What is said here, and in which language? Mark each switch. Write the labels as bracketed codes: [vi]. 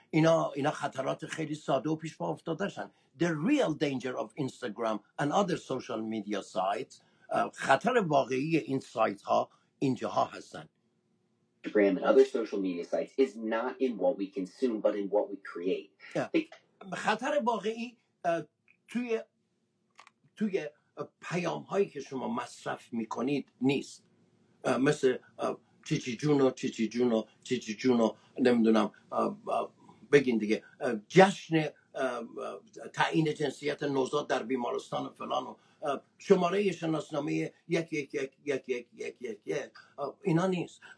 [fa] اینا خطرات خیلی ساده و پیش پا افتاده شن. [en] The real danger of Instagram and other social media sites. [fa] خطر واقعی این سایت ها اینجاها هستن. [en] Instagram and other social media sites is not in what we consume, but in what we create. [fa] خطر واقعی توی پیام هایی که شما مصرف میکنید نیست. مثل چیچی جونو نمیدونم بگین دیگه، جشن تعیین جنسیت نوزاد در بیمارستان فلان و شماره شناسنامه 111111 اینا نیست.